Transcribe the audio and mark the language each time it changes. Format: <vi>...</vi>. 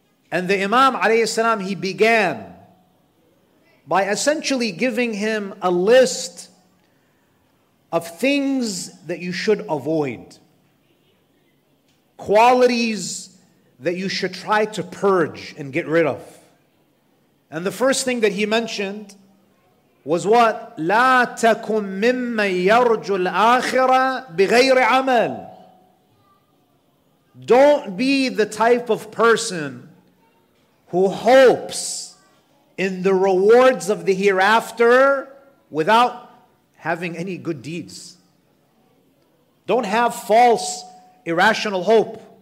<en>And the imam, alayhi salam, he began by essentially giving him a list of things that you should avoid, qualities that you should try to purge and get rid of. And the first thing that he mentioned was what?</en> <ar>لا تكن ممن يرجو الآخرة بغير عمل.</ar> <en>Don't be the type of person who hopes in the rewards of the hereafter without having any good deeds. Don't have false, irrational hope.</en>